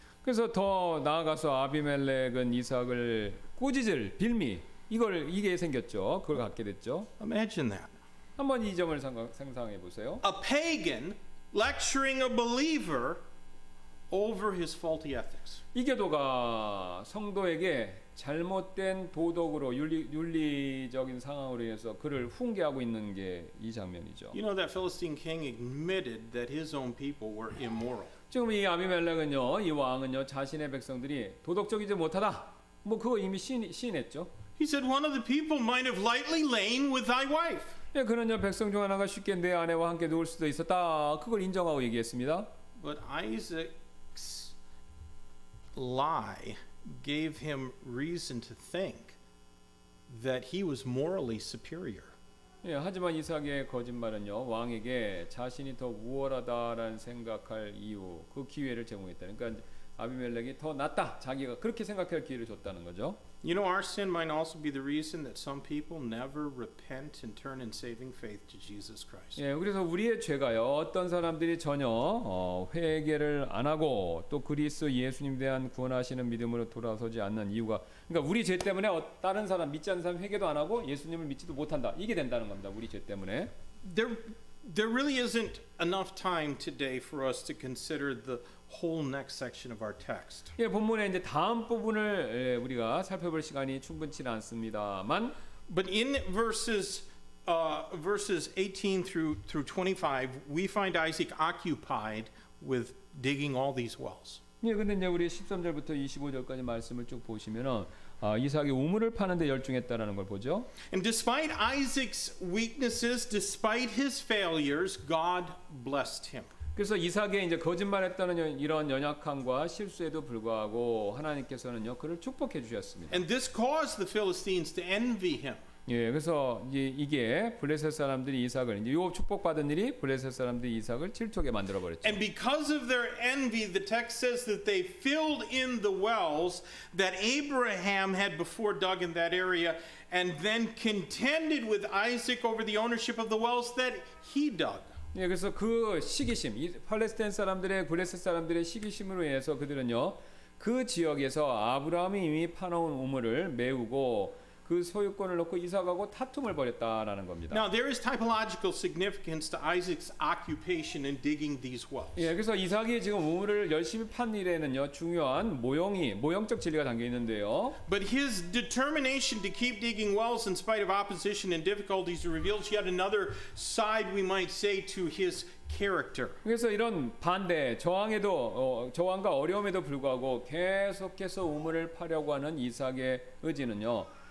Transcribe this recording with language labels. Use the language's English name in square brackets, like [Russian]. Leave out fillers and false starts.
[Korean] 그래서 더 나아가서 아비멜렉은 이삭을 꾸짖을 빌미. 이걸 이게 생겼죠. 그걸 갖게 됐죠. [English] Imagine that. [Korean] 한번 이 점을 상상해 보세요. [English] A pagan lecturing a believer over his faulty ethics. [Korean] 이교도가 성도에게 잘못된 도덕으로 윤리적인 상황으로 인해서 그를 훈계하고 있는 게 이 장면이죠. [English] You know that Philistine king admitted that his own people were immoral. [Korean] 지금 이 아비멜렉은요, 이 왕은요, 자신의 백성들이 도덕적이지 못하다. 뭐 그거 이미 시인했죠. [English] He said one of the people might have lightly lain with thy wife. [Korean] 예, 그는요, 백성 중 하나가 쉽게 내 아내와 함께 누울 수도 있었다. 그걸 인정하고 얘기했습니다. [English] But Isaac's lie gave him reason to think that he was morally superior. [Korean] 예, 하지만 이삭의 거짓말은요, 왕에게 자신이 더 우월하다라는 생각할 이유, 그 기회를 제공했다는 거죠. 그러니까 아비멜렉이 더 낫다. 자기가 그렇게 생각할 기회를 줬다는 거죠. [English] You know, our sin might also be the reason that some people never repent and turn in saving faith to Jesus Christ. [Korean] 예, 그래서 우리의 죄가요. 어떤 사람들이 전혀 회개를 안 하고 또 그리스도 예수님 대한 구원하시는 믿음으로 돌아서지 않는 이유가 그러니까 우리 죄 때문에 다른 사람 믿지 않는 사람 회개도 안 하고 예수님을 믿지도 못한다. 이게 된다는 겁니다. 우리 죄 때문에. [English] There really isn't enough time today for us to consider the whole next section of our text. [Korean] 예, 본문의 이제 다음 부분을 예, 우리가 살펴볼 시간이 충분치 않습니다만 [English] But in verses 18 through 25 we find Isaac occupied with digging all these wells. [Korean] 예, 근데 이제 우리 13절부터 25절까지 말씀을 쭉 보시면은 이삭이 우물을 파는 데 열중했다라는 걸 보죠. [English] And despite Isaac's weaknesses, despite his failures, God blessed him. [Korean] 그래서 이삭이 이제 거짓말했다는 이런 연약함과 실수에도 불구하고 하나님께서는요 그를 축복해 주셨습니다. [English] And this caused the Philistines to envy him. [Korean] 예, 그래서 이게 블레셋 사람들이 이삭을 이제 요 축복받은 일이 블레셋 사람들이 이삭을 질투하게 만들어 버렸죠. [English] And because of their envy, the text says that they filled in the wells that Abraham had before dug in that area, and then contended with Isaac over the ownership of the wells that he dug. [Korean] 예, 그래서 그 시기심, 팔레스타인 사람들의 블레셋 사람들의 시기심으로 인해서 그들은요 그 지역에서 아브라함이 이미 파놓은 우물을 메우고 그 소유권을 놓고 이삭하고 다툼을 벌였다라는 겁니다. [English] Now there is typological significance to Isaac's occupation in digging these wells. [Korean] 예, 그래서 이삭이 지금 우물을 열심히 판 일에는요 중요한 모형적 진리가 담겨 있는데요. [English] But his determination to keep digging wells in spite of opposition and difficulties reveals yet another side, we might say, to his character. [Korean] 그래서 이런 반대, 저항에도 저항과 어려움에도 불구하고 계속해서 우물을 파려고 하는 이삭의 의지는요.